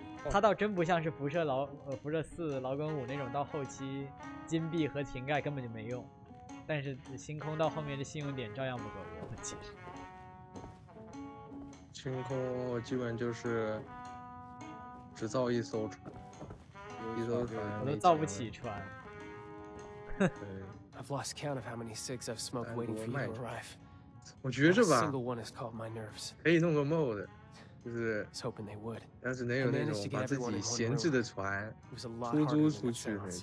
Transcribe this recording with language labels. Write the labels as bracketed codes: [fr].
[zh] 它倒真不像是辐射四、劳工五那种到后期金币和瓶盖根本就没用，但是星空到后面的信用点照样不够用。其实星空基本就是只造一艘船，一艘船我都造不起船。对。 [en] I've lost count of how many six I've smoked waiting for you to arrive. [zh] 我觉着吧，可以弄个 mode， 就是要是能有那种把自己闲置的船出租出去，